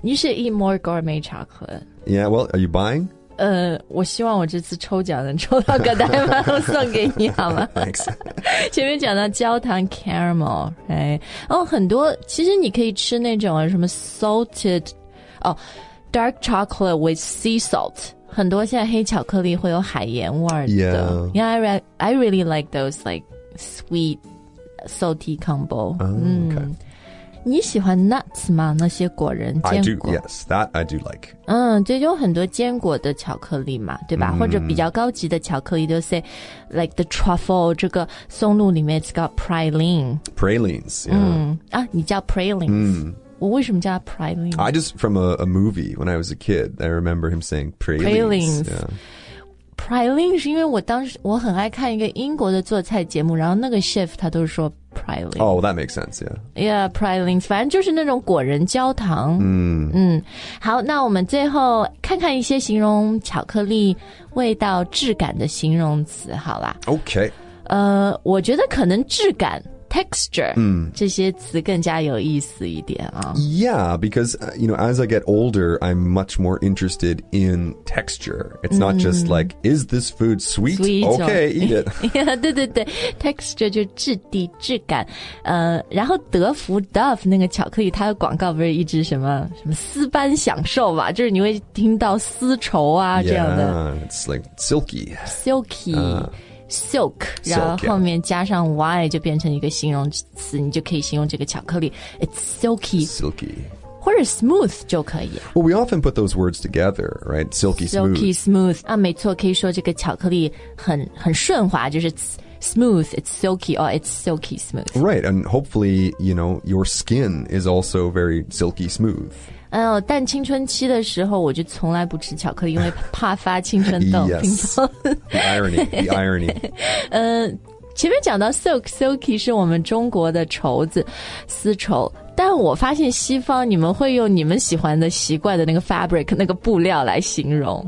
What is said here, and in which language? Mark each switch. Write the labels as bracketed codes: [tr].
[en] You should eat more gourmet chocolate. Yeah, well, are you buying? [zh] 我希望我这次抽奖能抽到个代码送给你好吗 [en] Thanks. [zh] 前面讲到焦糖 caramel, right? 哦，很多，其实你可以吃那种什么 salted, [en] dark chocolate with sea salt. [zh] 很多现在黑巧克力会有海盐味的。 [en] Yeah. Yeah, I really like those like sweet salty combo. Oh, okay. [zh] 你喜欢 nuts 吗？那些果仁坚果。 [en] I do, yes. That I do like. [zh] 对，有很多坚果的巧克力嘛，对吧？ Mm. 或者比较高级的巧克力，就 [en] say like the truffle, [zh] 这个松露里面 [en] it's got praline. Pralines, yeah. [zh] 你叫 pralines. Mm. 我为什么叫 praline? [en] I just, from a movie, when I was a kid, I remember him saying pralines. Pralines.、Yeah. [zh] Praline 是因为我当时我很爱看一个英国的做菜节目，然后那个 chef 他都说 praline. [en] Oh, well, that makes sense, yeah. Yeah, pralines. [zh] 反正就是那种果仁焦糖。好，那我们最后看看一些形容巧克力味道质感的形容词好啦。 [en] Okay. [zh] 我觉得可能质感。 Texture, 这些词更加有意思一点啊。 [en] Yeah, because, you know, as I get older, I'm much more interested in texture. It's not just like, is this food sweet? Sweet. Okay, eat it. [zh] Yeah, 对对对 ,texture 就质地质感。然后德芙 Dove 那个巧克力它的广告不是一直什么丝般享受吧，就是你会听到丝绸啊 [en] yeah, [zh] 这样的。 [en] It's like silky. Silky. Silk, Silk, [zh] 然后后面加上 Y、 [en] yeah. [zh] 就变成一个形容词，你就可以形容这个巧克力 [en] It's silky. Silky. [zh] 或者 smooth 就可以、啊。 [en] Well, we often put those words together, right? Silky smooth. Silky smooth. [zh] 啊，没错，可以说这个巧克力很顺滑，就是 smooth. [en] It's silky. Or it's silky smooth. Right, and hopefully, you know, your skin is also very silky smooth. [zh] 但青春期的时候我就从来不吃巧克力因为怕发青春痘 [en] yes, the irony [zh] 前面讲到 silky 是我们中国的绸子丝绸但我发现西方你们会用你们喜欢的习惯的那个 fabric 那个布料来形容